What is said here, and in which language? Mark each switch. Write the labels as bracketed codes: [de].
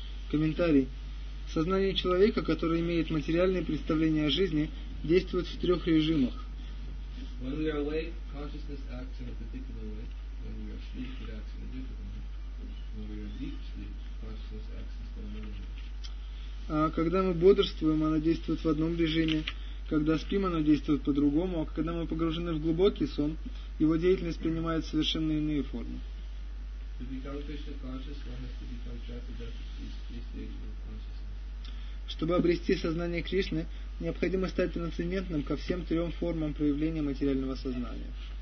[ru] Комментарий. Сознание человека, которое имеет материальные представления о жизни, действует в трех режимах. [en] When we are awake, consciousness acts in a particular way. When we are asleep, it acts in a different way. When we are deep sleep, consciousness acts in another way. [ru] Когда мы бодрствуем, оно действует в одном режиме. Когда спим, оно действует по-другому. А когда мы погружены в глубокий сон, его деятельность принимает совершенно иные формы. [en] To become Krishna conscious, one has to become trapped in three stages of consciousness. [ru] Чтобы обрести сознание Кришны, необходимо стать трансцендентным ко всем трем формам проявления материального сознания.